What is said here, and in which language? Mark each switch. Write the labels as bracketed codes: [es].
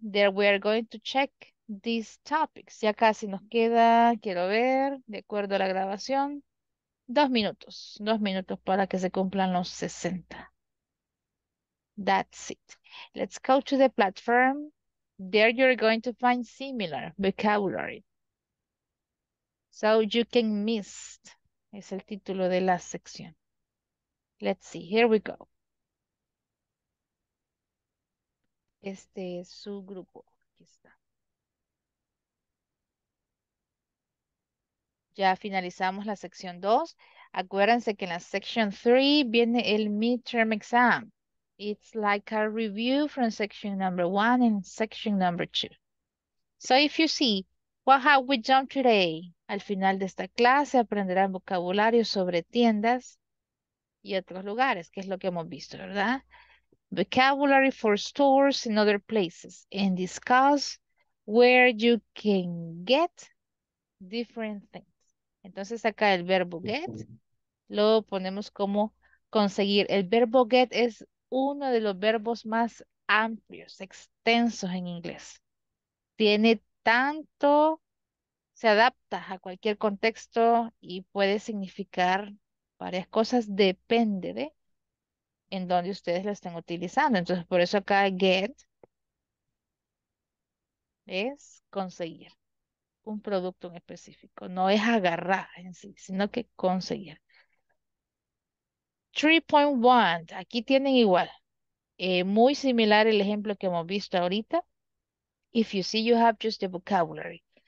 [en] There we are going to check these topics. [es] Ya casi nos queda, quiero ver, de acuerdo a la grabación. Dos minutos para que se cumplan los 60. [en] That's it. Let's go to the platform. There you're going to find similar vocabulary. So you can miss. [es] Es el título de la sección. [en] Let's see. Here we go. [es] Este es su grupo. Aquí está. Ya finalizamos la sección 2. Acuérdense que en la section 3 viene el midterm exam. [en] It's like a review from section number 1 and section number 2. So if you see, what have we done today? [es] Al final de esta clase aprenderán vocabulario sobre tiendas y otros lugares, que es lo que hemos visto, ¿verdad? [en] Vocabulary for stores in other places. And discuss where you can get different things. [es] Entonces acá el verbo get, lo ponemos como conseguir. El verbo get es uno de los verbos más amplios, extensos en inglés. Tiene tanto, se adapta a cualquier contexto y puede significar varias cosas, depende de en dónde ustedes lo estén utilizando. Entonces por eso acá get es conseguir. Un producto en específico. No es agarrar en sí, sino que conseguir. 3.1. Aquí tienen igual. Muy similar el ejemplo que hemos visto ahorita. [en] If you see, you have just the vocabulary.